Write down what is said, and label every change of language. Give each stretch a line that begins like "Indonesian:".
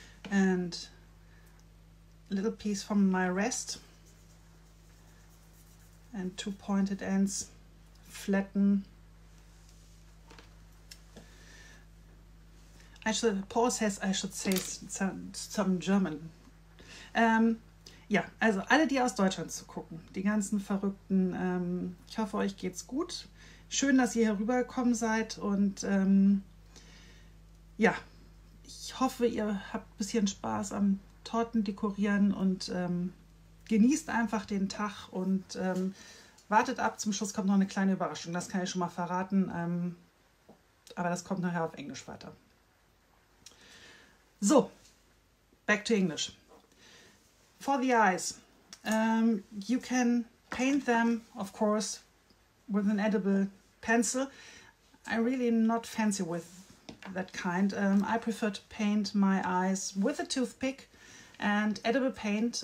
English: And a little piece from my rest and two pointed ends, flatten. Actually, Paul says I should say some German.
German: Ja, also alle, die aus Deutschland zu gucken, die ganzen Verrückten, ich hoffe, euch geht's gut. Schön, dass ihr herübergekommen seid und ja, ich hoffe, ihr habt ein bisschen Spaß am Torten dekorieren und genießt einfach den Tag und wartet ab. Zum Schluss kommt noch eine kleine Überraschung, das kann ich schon mal verraten, aber das kommt nachher auf Englisch weiter.
English: So, back to English. For the eyes, you can paint them, of course, with an edible pencil. I'm really not fancy with that kind. I prefer to paint my eyes with a toothpick and edible paint.